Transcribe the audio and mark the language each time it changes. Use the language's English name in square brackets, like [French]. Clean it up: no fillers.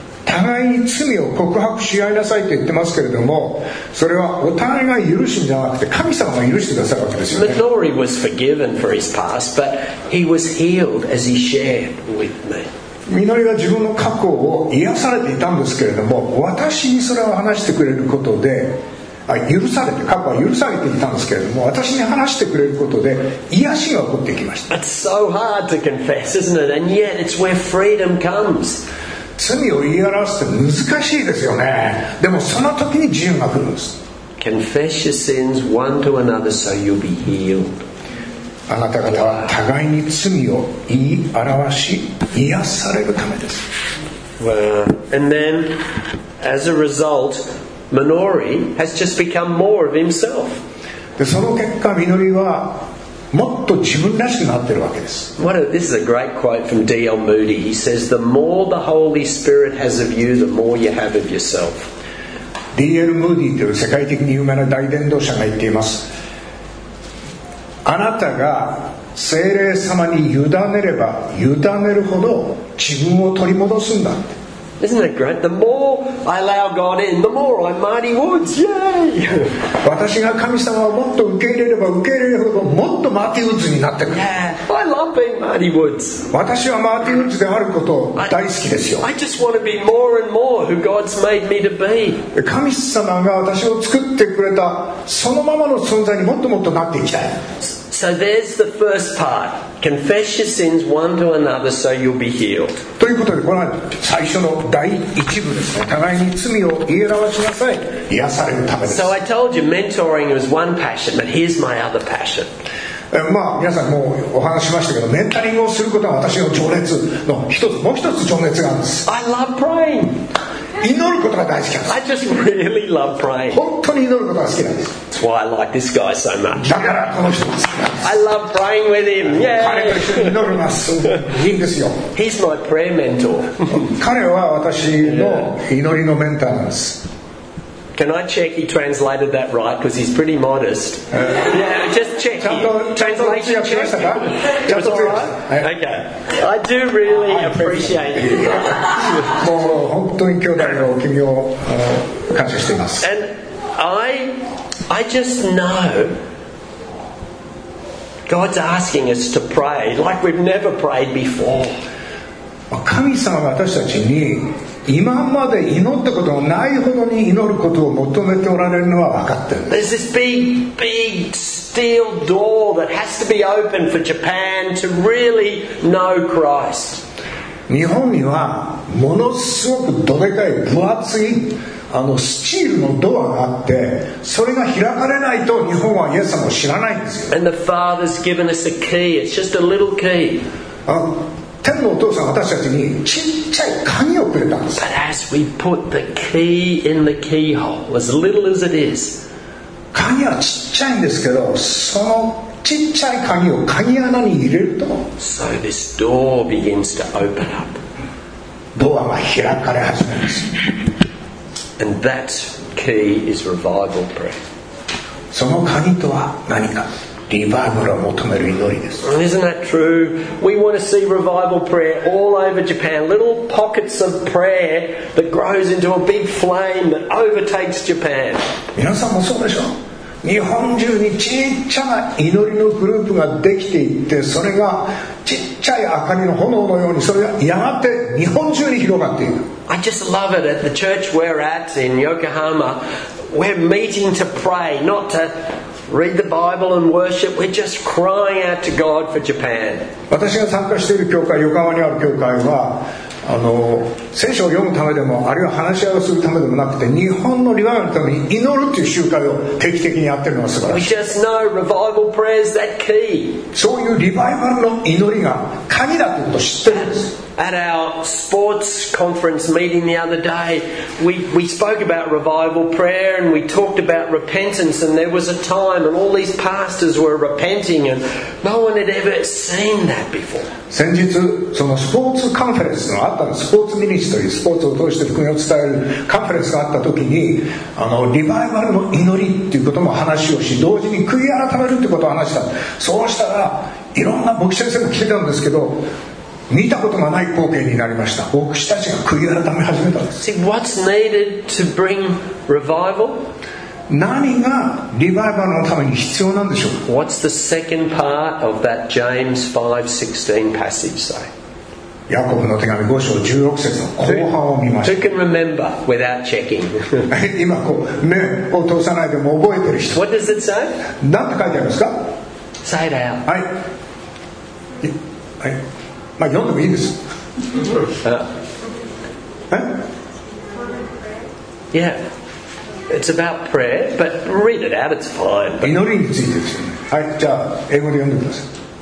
[Japanese] 互いに罪を告白し合いなさいと言ってますけれども、それはお互いが許すんじゃなくて神様が許してくださるわけですよね。 [English] Midori was forgiven for his past, but he was healed as he shared with me. [Japanese] みのりは自分の過去を癒されていたんですけれども、私にそれを話してくれることで、許されて、過去は許されていたんですけれども、私に話してくれることで癒しが起こってきました。 [English] It's so hard to confess, isn't it? And yet it's where freedom comes. [Japanese] 罪を言い表すって難しいですよね。でもその時に自由が来るんです。 [English] Confess your sins one to another so you'll be healed. [Japanese] あなた方は互いに罪を言い表し癒されるためです。 [English] Well, and then as a result,Minori has just become more of himself. [Japanese] で、その結果、みのりはもっと自分らしくなってるわけです。 [English] What a, this is a great quote from D.L. Moody. He says, "The more the Holy Spirit has of you, the more you have of yourself." D.L. [Japanese] Moody という世界的に有名な大伝道者が言っています。あなたが聖霊様に委ねれば委ねるほど自分を取り戻すんだ。 [English] Isn't it great? The more I allow God in, the more I'm Marty Woods. Yay! [Japanese] 私が神様をもっと受け入れれば受け入れるほどもっとマーティーウッズになってくる。 [English] Yeah, I love being Marty Woods. [Japanese] 私はマーティーウッズであること大好きですよ。 [English] I just want to be more and more who God's made me to be. [Japanese] 神様が私を作ってくれたそのままの存在にもっともっとなっていきたい。 [English] So there's the first part. Confess your sins one to another so you'll be healed. [Japanese] ということで、この最初の第一部ですね。互いに罪を言い表しなさい。癒されるためです。 [English] So I told you mentoring was one passion, but here's my other passion. [Japanese] まあ、皆さんもうお話しましたけど、メンタリングをすることは私の情熱の一つ、もう一つ情熱があるんです。 [English] I love praying. [Japanese] 祈ることが大好きなんです。 [English] I just really love praying. [Japanese] 本当に祈ることが好きなんです。 [English] That's why I like this guy so much. [Japanese] だからこの人です。 [English] I love praying with him. Yeah. [Japanese] 彼と一緒に祈ります。いいんですよ。 [English] He's my prayer mentor. [Japanese] 彼は私の祈りのメンターなんです。 [English] Can I check he translated that right? Because he's pretty modest. Yeah, just check. Translation check. It was all right? Okay. I do really appreciate you. [Japanese] もう本当に兄弟の君を感謝しています。 [English] And I just know God's asking us to pray like we've never prayed before. [Japanese] 神様が私たちに今まで祈ったことがないほどに祈ることを求めておられるのは分かってるんです。 [English] There's this big, big steel door that has to be opened for Japan to really know Christ. [Japanese] 日本にはものすごくどでかい分厚いあのスチールのドアがあって、それが開かれないと日本はイエス様を知らないんですよ。 [English] And the Father's given us a key. It's just a little key. [Japanese] 天のお父さん私たちにちっちゃい鍵をくれたんです。 [English] But as we put the key in the keyhole, as little as it is, [Japanese] 鍵はちっちゃいんですけど、そのちっちゃい鍵を鍵穴に入れると、 [English] So this door begins to open up. [Japanese] ドアが開かれ始めます。 [English] And that key is revival prayer. [Japanese] その鍵とは何か、リバイバルを求める祈りです。 [English] And isn't that true? We want to see revival prayer all over Japan. Little pockets of prayer that grows into a big flame that overtakes Japan. [Japanese] 皆さんもそうでしょう。日本中にちっちゃな祈りのグループができていって、それがちっちゃい明かりの炎のようにそれがやがて日本中に広がっていく。 [English] I just love it at the church we're at in Yokohama. We're meeting to pray, not to read the Bible and worship. We're just crying out to God for Japan. [Japanese] 私が参加している教会、横浜にある教会は、あの、聖書を読むためでも、あるいは話し合いをするためでもなくて、日本のリバイバルのために祈るという集会を定期的にやっているのが素晴らしい。 [English] We just know revival prayer is that key. [Japanese] そういうリバイバルの祈りが鍵だということを知っているんです。 [English] At our sports conference meeting the other day, we spoke about revival prayer and we talked about repentance, and there was a time and all these pastors were repenting and no one had ever seen that before. [Japanese] 先日そのスポーツコンフェレンスのあったの、スポーツミニストリー、スポーツを通して福音を伝えるコンフェレンスがあった時に、あのリバイバルの祈りっていうことも話をし、同時に悔い改めるってことを話した。そうしたらいろんな牧師先生も来てたんですけど、見たことがない光景になりました。牧師たちが悔い改め始めたんです。 [English] See, what's needed to bring revival? [Japanese] 何がリバイバルのために必要なんでしょう。 [English] What's the second part of that James 5:16 passage say? [Japanese] ヤコブの手紙5章16節の後半を見ました。 [English] Who can remember without checking? [Japanese] 今こう目を通さないでも覚えてる人。 [English] What does it say? [Japanese] 何て書いてあるんですか? [English] Say it out. [Japanese] はい。まあ読んでもいいです。 [English] Yeah. It's about prayer, but read it out, it's fine. [Japanese] 祈りについてですよね。はい、じゃあ英語で読んでください。